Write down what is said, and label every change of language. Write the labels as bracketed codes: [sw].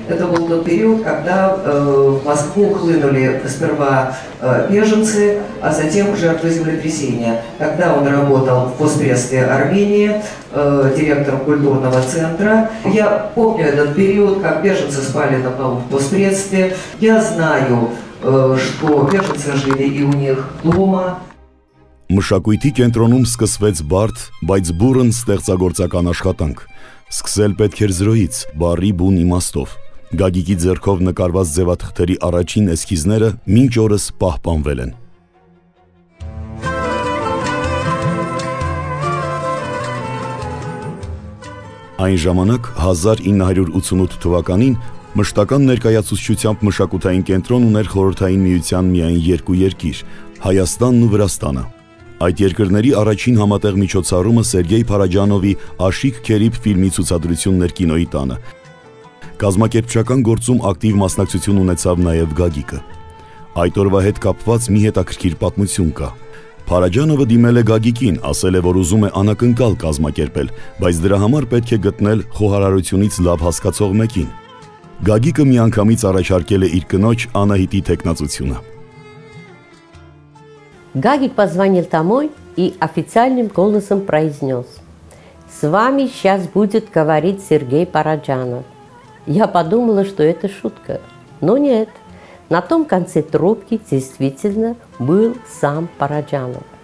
[ru] Это был тот период, когда в Москву хлынули сперва беженцы, а затем жертвы землетрясения. Тогда он работал в Госпредстве Армении, директором культурного центра. Я помню этот период, как беженцы спали на полу в Госпредстве. Я знаю, что беженцы жили и у них дома. [hy] Մշակույթի կենտրոնում սկսվեց բարդ, բայց բուրըն ստեղծագործական աշխատանք։ Սկսել պետք էր զրոյից, բարի բուն իմաստով։ Գագիկի ձեռքով նկարված ձևաթղթերի առաջին էսքիզները մինչ օրս պահպանվել են։ Այն ժամանակ 1988 թվականին մշտական ներկայացուցչությամբ Մշակութային կենտրոն ուներ Խորհրդային Միության միայն երկու երկիր՝ Հայաստանն ու Վրաստանը։ Այդ երկրների առաջին համատեղ միջոցառումը Սերգեյ Փարաջանովի «Աշիկ քերիբ» ֆիլմի ցուցադրություններ կինոյի տանը։ Կազմակերպչական գործում ակտիվ մասնակցություն ունեցավ նաև Գագիկը։ Այդ օրվա հետ կապված մի հետաքրքիր պատմություն կա։ Փարաջանովը դիմել է Գագիկին, ասել է, որ ուզում է անակնկալ կազմակերպել, բայց դրա համար պետք է գտնել խոհարարությունից լավ հասկացող մեկին։ Գագիկը միանգամից առաջարկել է իր կնոջ Անահիտի թեկնածությունը։ [ru] Гагик позвонил домой и официальным голосом произнес: «С вами сейчас будет говорить Сергей Параджанов». Я подумала, что это шутка, но нет. На том конце трубки действительно был сам Параджанов.